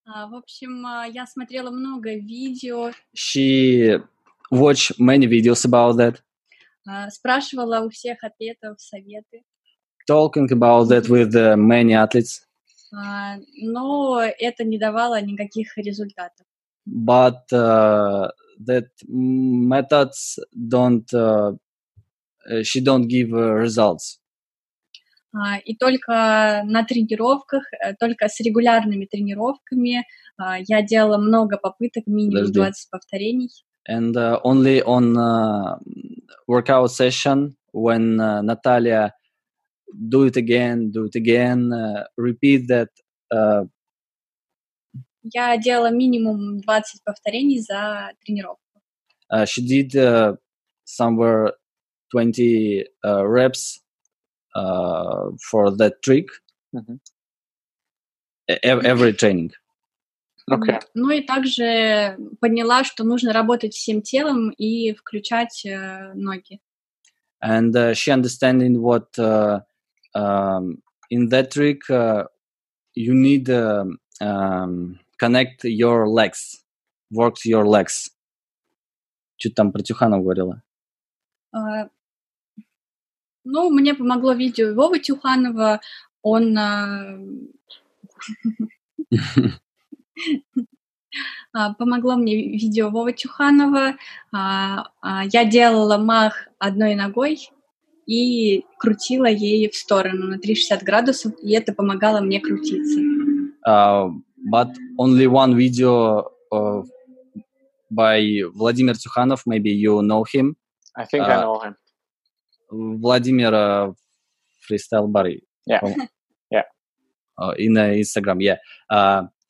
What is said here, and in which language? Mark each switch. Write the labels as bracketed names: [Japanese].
[Russian] В общем, я смотрела много видео. [English] She watched many videos about that. [Russian] Спрашивала у всех атлетов советы. [English] Talking about that with many athletes. [Russian] Но это не давало никаких результатов. [English] But that methods don't she don't give results. [Russian] И только на тренировках, только с регулярными тренировками я делала много попыток, минимум 20 повторений. [English] And only on workout session when Natalia do it again, repeat that. [Russian] Я делала минимум 20 повторений за тренировку. [English] She did somewhere 20 reps for that trick. Mm-hmm. Every training. Okay. [Russian] Ну и также поняла, что нужно работать всем телом и включать ноги. [English] And she understanding what in that trick you need connect your legs, work your legs. [Russian] Что-то там про Тюханов говорила. Ну, мне помогло видео Вовы Тюханова. Он помогло мне видео Вовы Тюханова. Я делала мах одной ногой и крутила ей в сторону на 360 градусов, и это помогало мне крутиться. [English] But only one video by Vladimir Tsukhanov, maybe you know him. I think I know him. Vladimir Freestyle Barry. Yeah. In Instagram, yeah.